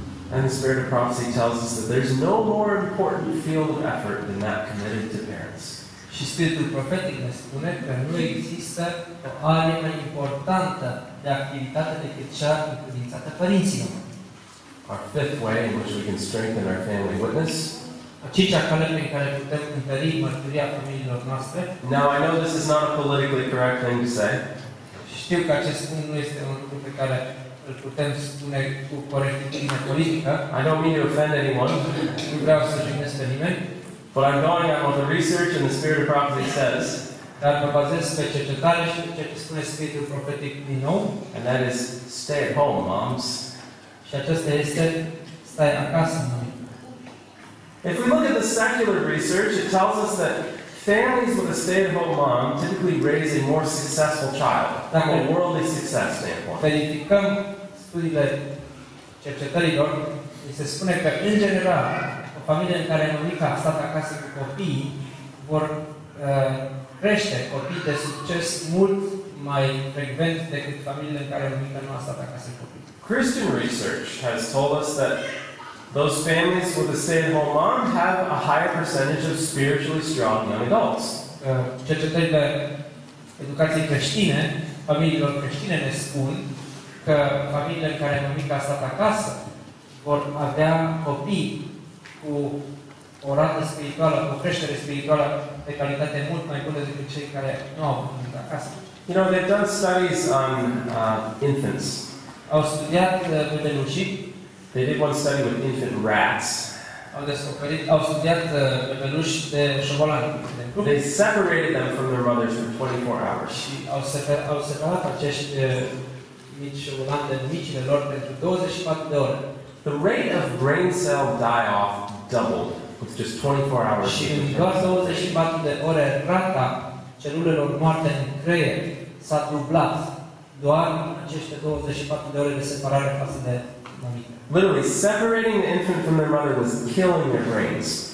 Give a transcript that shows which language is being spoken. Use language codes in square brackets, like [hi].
[en] And the spirit of prophecy tells us that there's no more important field of effort than that committed to parents. [ro] Și spiritul profetic ne spune că nu există o arie mai importantă de activitate decât cea încredințată părinților. [en] Our fifth way in which we can strengthen our family witness. [ro] A cincea cale prin care putem întări mărturia familiilor noastre. [en] Now I know this is not a politically correct thing to say. [ro] Știu că acest punct nu este un lucru pe care îl putem spune cu corectitudine politică. [en] I don't mean to offend anyone. [ro] Nu vreau să jignesc pe nimeni. [en] But I'm going on what the research and the spirit of prophecy says. [ro] Dar mă bazez pe cercetare și ce spune spiritul profetic din nou. [en] And that is stay at home, moms. [ro] Și acesta este stai acasă, mami. [en] If we look at the secular research, it tells us that families with a stay-at-home mom typically raise a more successful child, from a worldly success standpoint. [ro] Verificăm studiile cercetărilor, mi se spune că, în general, o familie în care mămica a stat acasă cu copii vor crește copii de succes mult mai frecvent decât familiile în care mămica nu a stat acasă cu copii. [en] Christian research has told us that those families with a stay-at-home mom have a higher percentage of spiritually strong young adults. [ro] Cercetările de educație creștine, familiilor creștine ne spun că familiile în care mămica a stat acasă vor avea copii cu o rată spirituală, cu o creștere spirituală de calitate mult mai bună decât cei care nu au mămica acasă. [en] You know, they've done studies on infants. [ro] Au studiat bebelușii. [en] They did one study with infant rats. [ro] Au studiat bebeluși de șobolan. [en] They separated them from their mothers for 24 hours. [ro] Și au separat acești mici șobolani de micile lor pentru 24 de ore. [en] The rate of brain cell die-off doubled with just 24 hours. [ro] Și în doar 24 de ore, rata celulelor moarte în creier s-a dublat Doar aceste 24 de ore de separare față de mămică. [en] Literally, separating the infant from their mother was killing their brains.